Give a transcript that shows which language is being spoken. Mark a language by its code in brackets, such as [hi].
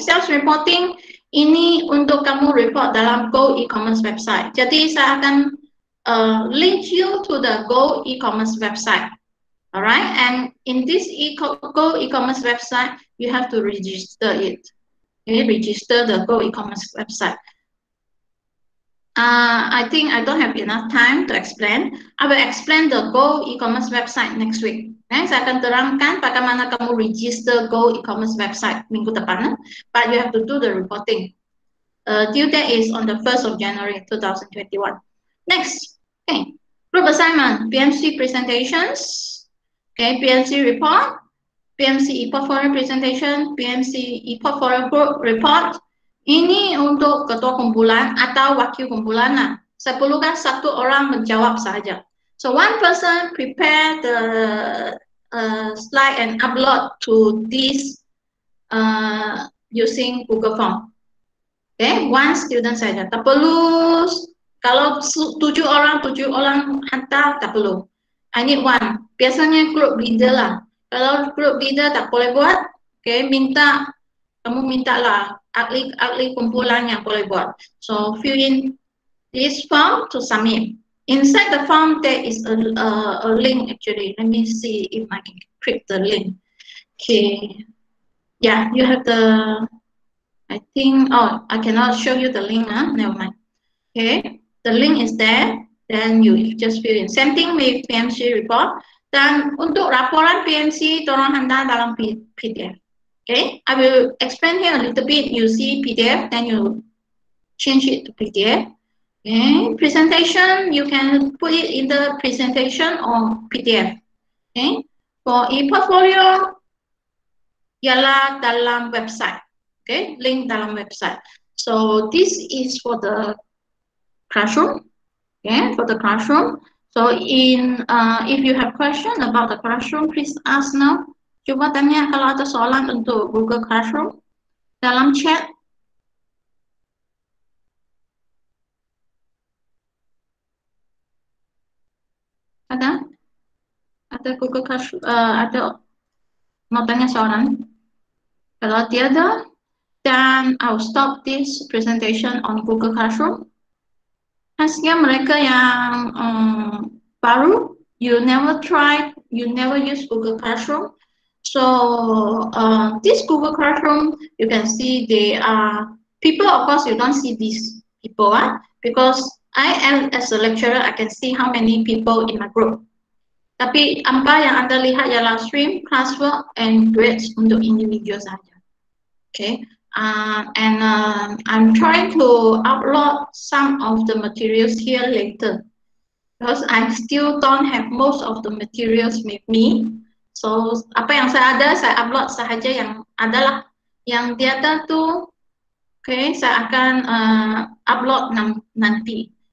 [en] Sales reporting [ms] ini untuk kamu [en] report [ms] dalam [en] Go e-commerce website. [ms] Jadi saya akan [en] link you to the Go e-commerce website. Alright, and in this Go e-commerce website, you have to register it. Okay, register the Go e-commerce website. I think I don't have enough time to explain. I will explain the Go e-commerce website next week. Okay, [ms] saya akan terangkan bagaimana kamu register Go e-commerce website minggu depan. [en] But you have to do the reporting. Due date is on the 1st of January 2021. Next, okay. Group assignment, BMC presentations, okay, BMC report, BMC e-portfolio presentation, BMC e-portfolio group report. [ms] Ini untuk ketua kumpulan atau wakil kumpulan lah. Saya perlukan satu orang menjawab saja. [en] So one person prepare the slide and upload to this using Google Form. Okay, one student [ms] saja. Tak perlu kalau tujuh orang hantar tak perlu. [en] I need one. [ms] Biasanya group leader lah. Kalau group leader tak boleh buat, okay, minta kamu minta lah. Ahli kumpulan yang boleh buat. [en] So, fill in this form to submit. Inside the form, there is a link actually. Let me see if I can click the link. Okay. Yeah, you have the, I think, oh, I cannot show you the link, huh? Never mind. Okay, the link is there. Then you just fill in. Same thing with PMC report. [ms] Dan untuk laporan PMC, tolong hantar dalam PDF. [en] Okay, I will explain here a little bit. You see PDF, then you change it to PDF. Okay, presentation, you can put it in the presentation or PDF. Okay, for e-portfolio, [ms] ialah dalam [en] website. Okay, link [ms] dalam [en] website. So this is for the classroom. Okay, for the classroom. So in if you have question about the classroom, please ask now. [ms] Cuba tanya kalau ada soalan untuk Google Classroom dalam chat. Ada? Ada Google Classroom? Ada mau tanya soalan? Kalau tiada, [en] then I'll stop this presentation on Google Classroom. [ms] Hasilnya mereka yang baru, [en] you never use Google Classroom. So this Google Classroom, you can see they are people. Of course, you don't see these people, because I am as a lecturer, I can see how many people in my group. [ms] Tapi apa yang anda lihat ialah stream, classwork, and grades untuk individual saja. [en] Okay, I'm trying to upload some of the materials here later, because I still don't have most of the materials with me. [ms] So, apa yang saya ada, saya upload sahaja yang ada lah. Yang di atas tu, okay, saya akan upload nanti.